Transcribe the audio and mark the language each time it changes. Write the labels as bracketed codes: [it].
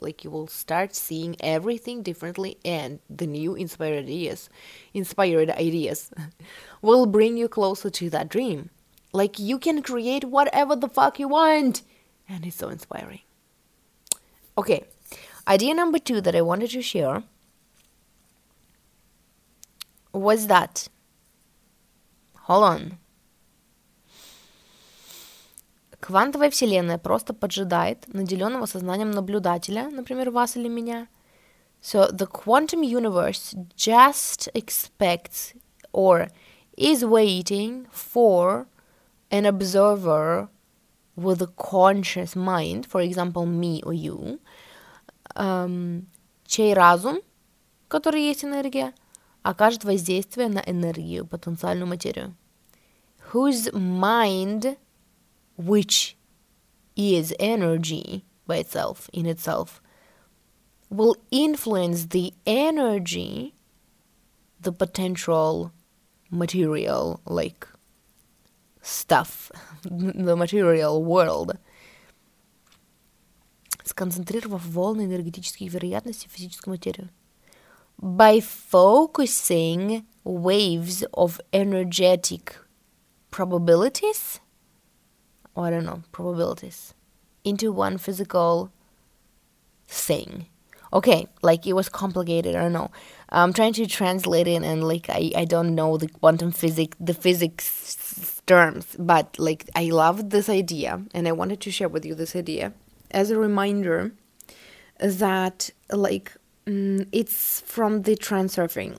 [en] Like, you will start seeing everything differently, and the new inspired ideas will bring you closer to that dream. Like, you can create whatever the fuck you want. And it's so inspiring. Okay, idea number two that I wanted to share was that. Hold on. [ru] Квантовая вселенная просто поджидает наделенного сознанием наблюдателя, например, вас или меня. [en] So the quantum universe just expects or is waiting for an observer with a conscious mind, for example, me or you, [ru] чей разум, который есть энергия, окажет воздействие на энергию, потенциальную материю. [en] Whose mind, which is energy by itself, in itself, will influence the energy, the potential material, like, stuff, the material world. [ru] Сконцентрировав волны энергетических вероятностей в физическую материю. [en] By focusing waves of energetic probabilities, or I don't know, probabilities, into one physical sing. Okay, like it was complicated, I don't know. I'm trying to translate it and like I don't know the quantum physics, the physics terms, but like I love this idea and I wanted to share with you this idea as a reminder that like it's from the transurfing.